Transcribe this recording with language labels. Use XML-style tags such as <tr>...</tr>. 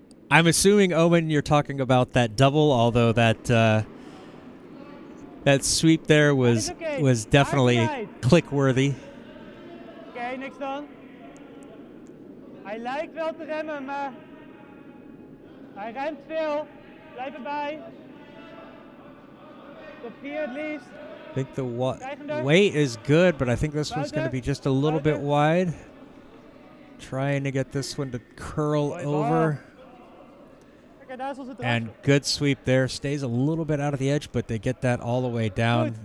<en>I'm assuming, Omen, you're talking about that double, although that sweep there was definitely click-worthy.</en> <nl>Okay, niks dan. Hij lijkt wel te remmen, maar hij remt veel. Blijf erbij.</nl> <en>Top 4 at least. I think the weight is good, but I think this one's going to be just a little bit wide. Trying to get this one to curl over. And good sweep there. Stays a little bit out of the edge, but they get that all the way down.</en>